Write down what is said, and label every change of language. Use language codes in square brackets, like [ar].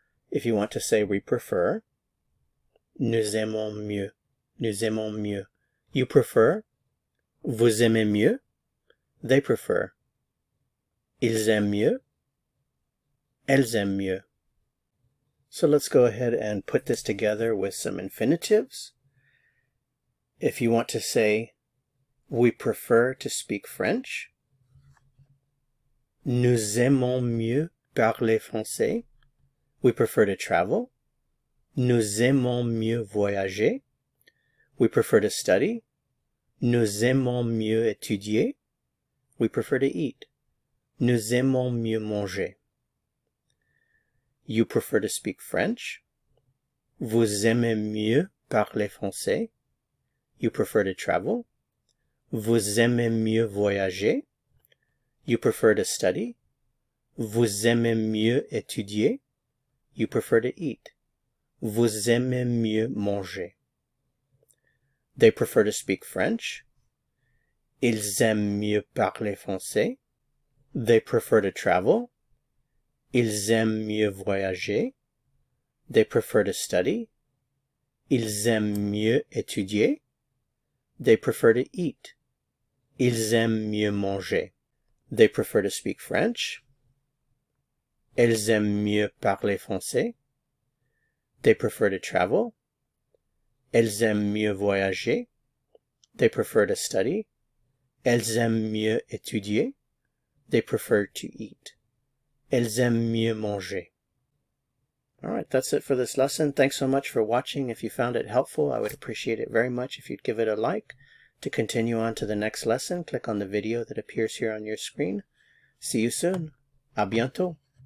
[en] If you want to say we prefer, [fr] nous aimons mieux, [en] you prefer, [fr] vous aimez mieux, [en] they prefer. [fr] Ils aiment mieux. Elles aiment mieux. [en] So let's go ahead and put this together with some infinitives. If you want to say, we prefer to speak French. [fr] Nous aimons mieux parler français. [en] We prefer to travel. [fr] Nous aimons mieux voyager. [en] We prefer to study. [fr] Nous aimons mieux étudier. [en] We prefer to eat. [fr] Nous aimons mieux manger. [en] You prefer to speak French. [fr] Vous aimez mieux parler français. [en] You prefer to travel. [fr] Vous aimez mieux voyager. [en] You prefer to study. [fr] Vous aimez mieux étudier. [en] You prefer to eat. [fr] Vous aimez mieux manger. [en] They prefer to speak French. [fr] Ils aiment mieux parler français. [en] They prefer to travel. [fr] Ils aiment mieux voyager. [en] They prefer to study. [fr] Ils aiment mieux étudier. [en] They prefer to eat. [fr] Ils aiment mieux manger. [en] They prefer to speak French. [fr] Elles aiment mieux parler français. [en] They prefer to travel. [fr] Elles aiment mieux voyager. [en] They prefer to study. [fr] Elles aiment mieux étudier. [en] They prefer to eat. [fr] Elles aiment mieux manger. [en] All right, that's it for this lesson. Thanks so much for watching. If you found it helpful, I would appreciate it very much if you'd give it a like. To continue on to the next lesson, click on the video that appears here on your screen. See you soon. A bientôt.